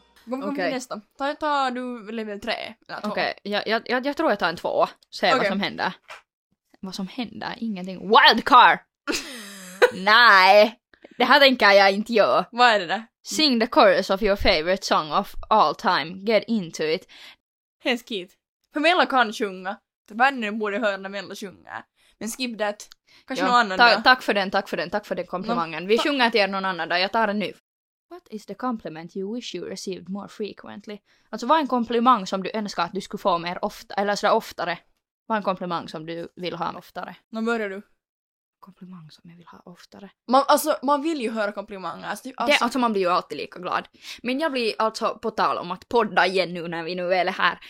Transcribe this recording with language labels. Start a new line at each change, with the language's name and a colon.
Swedish: Kom nästa. Ta du level 3 eller 2. Okej, jag tror jag tar en 2. Se vad som händer. Vad som händer? Ingenting. Wildcar! Nej! Det här tänker jag inte göra. Vad är det där?
English: Sing the chorus of your favorite song of all time. Get into it.
Swedish: Hemskigt. För Mella kan sjunga. Vännen borde höra när Mella sjunger. Men
English: skip that.
Swedish: Kanske någon annan dag. Tack för den komplimangen. Vi sjunger till er någon annan dag. Jag tar den nu.
English: What is the compliment you wish you received more frequently?
Swedish: Alltså, vad är en komplimang som du önskar att du skulle få mer ofta? Eller sådär oftare. Vad är en komplimang som du vill ha oftare? Nu börjar du. Komplimang som jag vill ha oftare. Man vill ju höra komplimanger. Alltså, man blir ju alltid lika glad. Men jag blir alltså på tal om att podda igen nu när vi nu väl är här.